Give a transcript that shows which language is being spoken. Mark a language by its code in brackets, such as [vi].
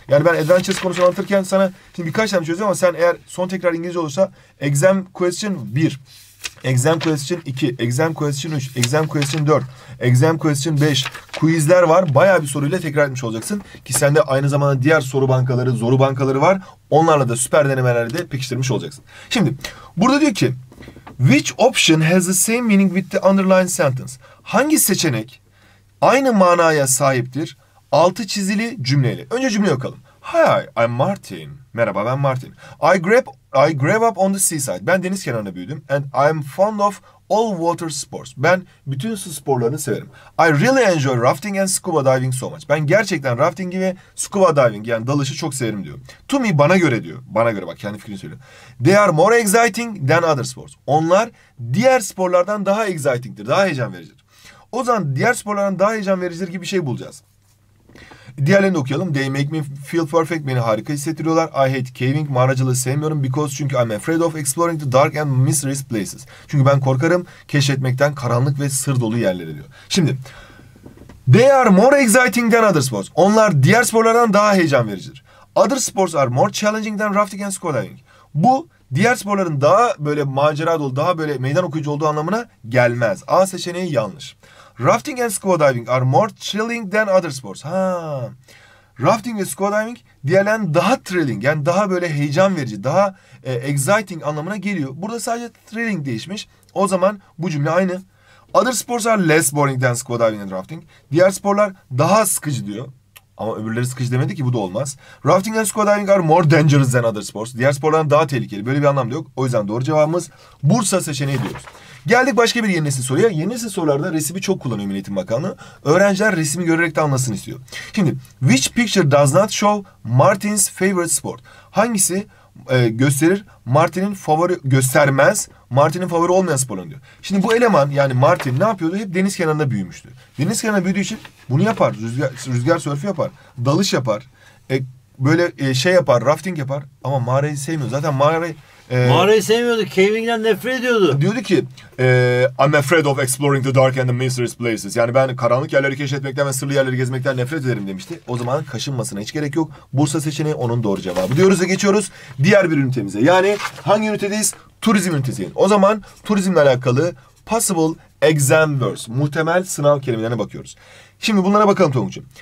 [tr] Yani ben adventures konusunu anlatırken sana şimdi birkaç tane çözüyorum ama sen eğer son tekrar İngilizce olursa [en] exam question 1, exam question 2, exam question 3, exam question 4, exam question 5 [tr] quizler var. Bayağı bir soruyla tekrar etmiş olacaksın ki sende aynı zamanda diğer soru bankaları, zoru bankaları var. Onlarla da süper denemelerle de pekiştirmiş olacaksın. Şimdi burada diyor ki [en] which option has the same meaning with the underlined sentence? [tr] Hangi seçenek aynı manaya sahiptir altı çizili cümleyle? Önce cümleyi okalım. [en] Hi, I'm Martin. [tr] Merhaba, ben Martin. [en] I grew up on the seaside. [tr] Ben deniz kenarında büyüdüm. [en] And I'm fond of all water sports. [tr] Ben bütün su sporlarını severim. [en] I really enjoy rafting and scuba diving so much. [tr] Ben gerçekten rafting ve scuba diving yani dalışı çok severim diyor. [en] To me, [tr] bana göre diyor. Bana göre bak kendi fikrini söylüyor. [en] They are more exciting than other sports. [tr] Onlar diğer sporlardan daha excitingdir, daha heyecan vericidir. O zaman diğer sporlardan daha heyecan vericidir gibi bir şey bulacağız. [en] Diğerlerini okuyalım. They make me feel perfect. [tr] Beni harika hissettiriyorlar. [en] I hate caving. [tr] Mağaracılığı sevmiyorum. [en] Because [tr] çünkü [en] I'm afraid of exploring the dark and mysterious places. [tr] Çünkü ben korkarım keşfetmekten karanlık ve sır dolu yerlere diyor. [en] Şimdi. They are more exciting than other sports. [tr] Onlar diğer sporlardan daha heyecan vericidir. [en] Other sports are more challenging than rafting and scuba diving. [tr] Bu diğer sporların daha böyle macera dolu, daha böyle meydan okuyucu olduğu anlamına gelmez. A seçeneği yanlış. [en] Rafting and scuba diving are more thrilling than other sports. Ha. [tr] Rafting ve scuba diving diğerlerinden daha thrilling, yani daha böyle heyecan verici, daha exciting anlamına geliyor. Burada sadece thrilling değişmiş. O zaman bu cümle aynı. [en] Other sports are less boring than scuba diving and rafting. [tr] Diğer sporlar daha sıkıcı diyor. Ama öbürleri sıkıcı demedi ki bu da olmaz. [en] Rafting and scuba diving are more dangerous than other sports. [tr] Diğer sporlardan daha tehlikeli. Böyle bir anlam da yok. O yüzden doğru cevabımız Bursa seçeneği diyoruz. Geldik başka bir yeni nesil soruya. Yeni nesil sorularda resmi çok kullanıyor Milli Eğitim Bakanlığı. Öğrenciler resmi görerek de anlasın istiyor. [en] Şimdi, which picture does not show Martin's favorite sport? [tr] Hangisi gösterir? Martin'in favori göstermez, Martin'in favori olmayan sporunu diyor. Şimdi bu eleman yani Martin ne yapıyordu? Hep deniz kenarında büyümüştü. Deniz kenarında büyüdüğü için bunu yapar. Rüzgar sörfü yapar. Dalış yapar. Böyle şey yapar, rafting yapar. Ama mağarayı sevmiyor. Zaten mağarayı... Mağarayı sevmiyordu. Caving'den nefret ediyordu. Diyordu ki [en] I'm afraid of exploring the dark and the mysterious places. [tr] Yani ben karanlık yerleri keşfetmekten ve sırlı yerleri gezmekten nefret ederim demişti. O zaman kaşınmasına hiç gerek yok. Bursa seçeneği onun doğru cevabı. Diyoruz da geçiyoruz diğer bir ünitemize. Yani hangi ünitedeyiz? Turizm ünitesiyiz. O zaman turizmle alakalı [en] possible exam words. [tr] Muhtemel sınav kelimelerine bakıyoruz. Şimdi bunlara bakalım Tonguç'um.